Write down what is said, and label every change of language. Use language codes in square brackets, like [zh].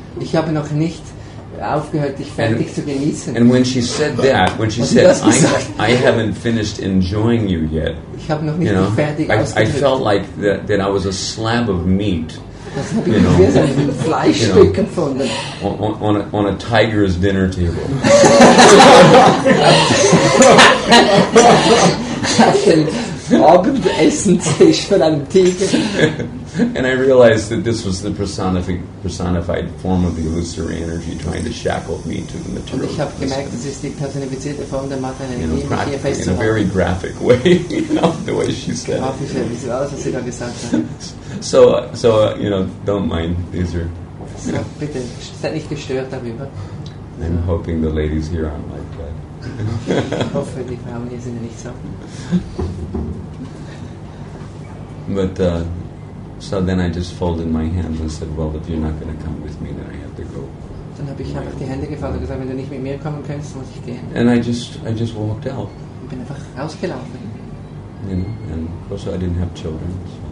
[de] Ich habe noch nicht aufgehört, dich fertig zu genießen. [en] And when she said that, when she said, I haven't finished enjoying you yet, [de] ich habe noch nicht, [en] you know, [de] fertig [en] I felt like that I was a slab of meat. [de] Das habe ich mir so ein Fleischstück gefunden. [en] On a tiger's dinner table. [de] Auf dem Abendessentisch von einem Tiger. [en] And I realized that this was the personified form of the illusory energy trying to shackle me to the material. [de] Und ich habe gemerkt, das ist die personifizierte Form der materiellen Energie, mich hier festzuhalten. [en] In a very graphic way, you know, the way she said it. [de] Grafisch, das ist alles, was sie da gesagt hat. [en] So, you know, don't mind. These are. [de] So, bitte, seid nicht gestört darüber. [en] I'm hoping the ladies here aren't like that. [de] Ich hoffe, die Frauen hier sind nicht so. [en] But, so then I just folded my hands and said, well, if you're not going to come with me, then I have to go. [de] Dann habe ich einfach die Hände gefaltet und gesagt, wenn du nicht mit mir kommen kannst, muss ich gehen. [en] And I just walked out. [de] Ich bin einfach rausgelaufen. [en] You know, and also I didn't have children, so